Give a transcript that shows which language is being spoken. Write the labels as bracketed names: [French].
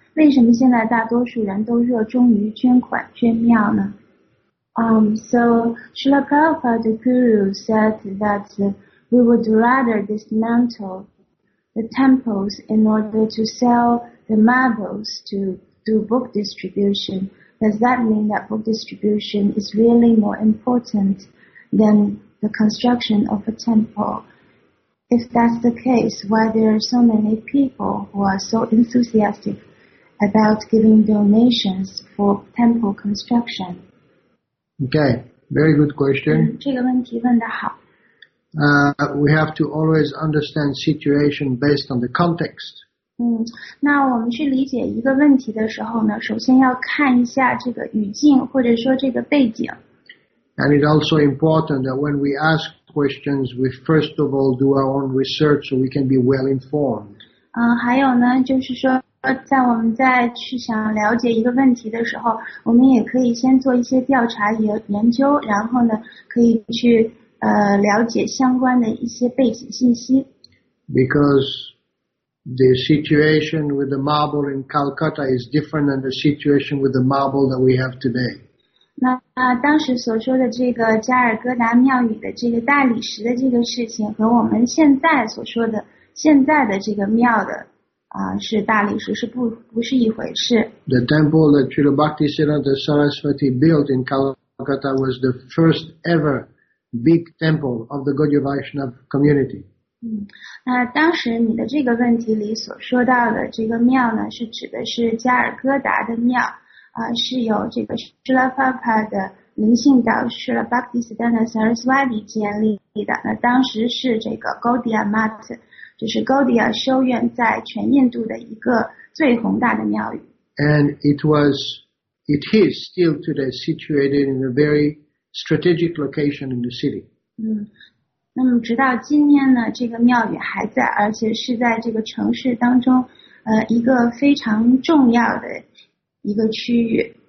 [Chinese] 为什么现在大多数人都热衷于捐款捐庙呢？ [English] So Srila Prabhupada 的 Guru said that we would rather dismantle the temples in order to sell the marbles to do book distribution. Does that mean that book distribution is really more important than the construction of a temple? If that's the case, why there are so many people who are so enthusiastic about giving donations for temple construction? Okay, very good question. [Chinese] 这个问题问得好。 [English] We have to always understand situation based on the context. [Chinese] 那我们去理解一个问题的时候呢，首先要看一下这个语境或者说这个背景。 [English] And it's also important that when we ask questions, we first of all do our own research so we can be well informed. [Chinese] 还有呢，就是说在我们在去想了解一个问题的时候，我们也可以先做一些调查研究，然后呢，可以去了解相关的一些背景信息。 [English] Because the situation with the marble in Calcutta is different than the situation with the marble that we have today. [Chinese] 那当时所说的这个加尔各答庙宇的这个大理石的这个事情和我们现在所说的现在的这个庙的是大理石是不是一回事。 [English] The temple that Srila Bhaktisiddhanta Saraswati built in Calcutta was the first everBig temple of the Gaudiya Vaishnava community. [Chinese] 当时你的这个问题里所说到的这个庙呢，是指的是加尔各答的庙，是由这个 Srila Prabhupada 的灵性导师 Srila Bhaktisiddhanta Saraswati 建立的。那当时是这个 Gaudiya Math， 就是 Gaudiya 修院在全印度的一个最宏大的庙宇。 [English] And it is still today situated in a very strategic location in the city. [Chinese] 那么直到今天呢，这个庙宇还在，而且是在这个城市当中，一个非常重要的一个区域。